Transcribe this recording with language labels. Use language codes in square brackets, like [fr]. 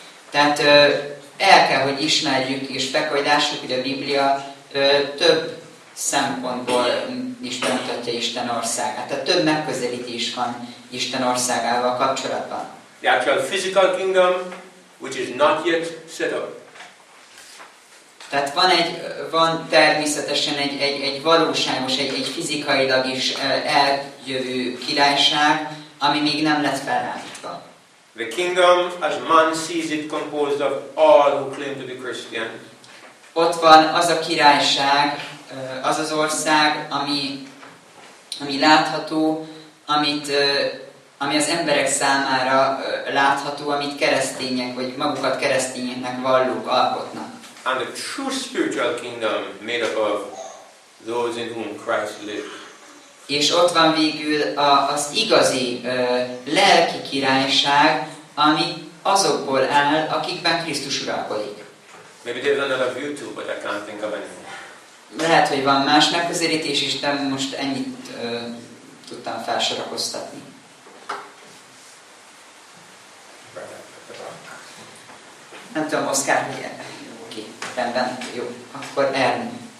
[hu] Tehát el kell, hogy ismerjük és bekajdásuk, hogy a Biblia több szempontból is bemutatja Isten országát. Tehát több megközelítés van Isten országával kapcsolatban. [en] The actual physical kingdom, which is not yet set up. [hu] Tehát van természetesen egy valóságos, egy fizikailag is eljövő királyság, ami még nem lett felállítva. [en] The kingdom, as man sees it, composed of all who claim to be Christian. [hu] Ott van az a királyság, az az ország, ami látható, ami az emberek számára látható, amit keresztények, vagy magukat keresztényeknek vallók alkotnak. [en] And the true spiritual kingdom made up of those in whom Christ lives. [hu] És ott van végül az igazi lelki királyság, ami azokból áll, akikben Krisztus uralkodik. [en] Maybe there's another view too, but I can't think of any. [hu] Lehet, hogy van más megközelítés is, de most ennyit tudtam felsorakoztatni. Nem tudom, Oszkár, hogy rendben, jó, akkor Ernő.